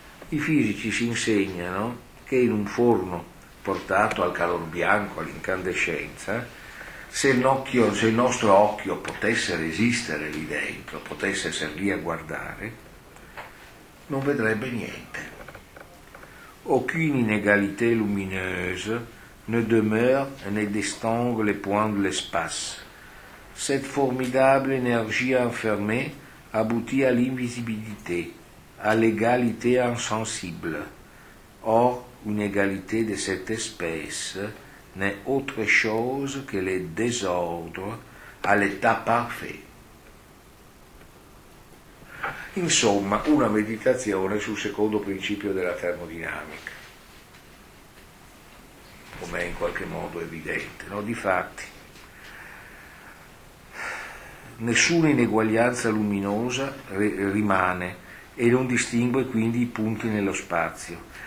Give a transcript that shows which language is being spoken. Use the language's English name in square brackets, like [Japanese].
[Italian] I fisici ci insegnano che in un forno portato al calor bianco, all'incandescenza, se il nostro occhio potesse resistere lì dentro, potesse essere lì a guardare, non vedrebbe niente. [French] Aucune inégalité lumineuse ne demeure et ne distingue les points de l'espace. Cette formidable énergie enfermée aboutit à l'invisibilité, à l'égalité insensible. Or, une égalité de cette espèce n'est autre chose que le désordre à l'état parfait. [Italian] Insomma, una meditazione sul secondo principio della termodinamica, come è in qualche modo evidente, no? Difatti, nessuna ineguaglianza luminosa rimane e non distingue quindi i punti nello spazio.